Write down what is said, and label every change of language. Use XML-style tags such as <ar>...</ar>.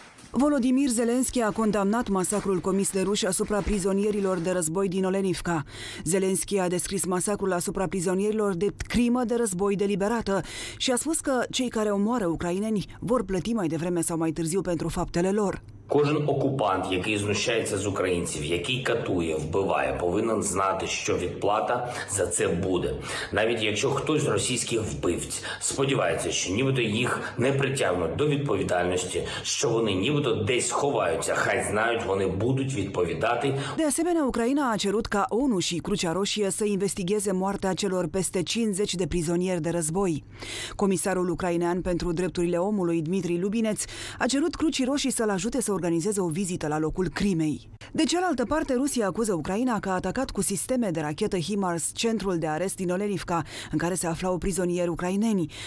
<ro>Volodymyr Zelensky a condamnat masacrul comis de ruși asupra prizonierilor de război din Olenivka. Zelensky a descris masacrul asupra prizonierilor drept crimă de război deliberată și a spus că cei care omoară ucraineni vor plăti mai devreme sau mai târziu pentru faptele lor.</ro> <uk>Кожен окупант, який знущається з українців, який катує, вбиває, повинен знати, що відплата за це буде. Навіть якщо хтось з російських вбивць сподівається, що нібито їх не притягнуть до відповідальності, що вони нібито десь ховаються, хай знають, вони будуть відповідати.</uk> <ro>De asemenea, Ucraina a cerut ca ONU și Crucea Roșie să investigheze moartea celor peste 50 de prizonieri de război. Comisarul ucrainean pentru drepturile omului, Dmitri Lubineț, a cerut Crucii Roșii să-l ajute să organizeze o vizită la locul crimei. De cealaltă parte, Rusia acuză Ucraina că a atacat cu sisteme de rachetă HIMARS centrul de arest din Olenivka, în care se aflau prizonieri ucraineni.</ro>